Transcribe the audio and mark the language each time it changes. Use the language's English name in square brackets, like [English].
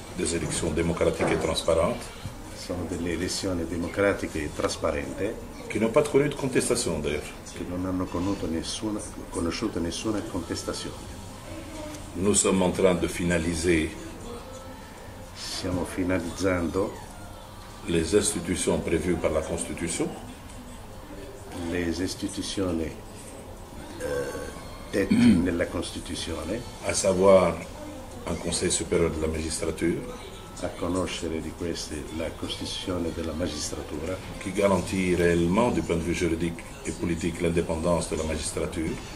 [French] Des élections démocratiques et transparentes. [Italian] Sono delle elezioni democratiche e trasparenti. Che non hanno [French] connu de contestation d'ailleurs. [Italian] Che non hanno conosciuto nessuna contestazione. [French] Nous sommes en train de finaliser. [Italian] Stiamo finalizzando. [French] Les institutions prévues par la Constitution. [Italian] Le istituzioni dette nella Costituzione. [French] A savoir un Conseil supérieur de la magistrature. [Italian] A conoscere di queste la costituzione della magistratura che garantisce realmente, dal punto di vista giuridico e politico, l'indipendenza della magistratura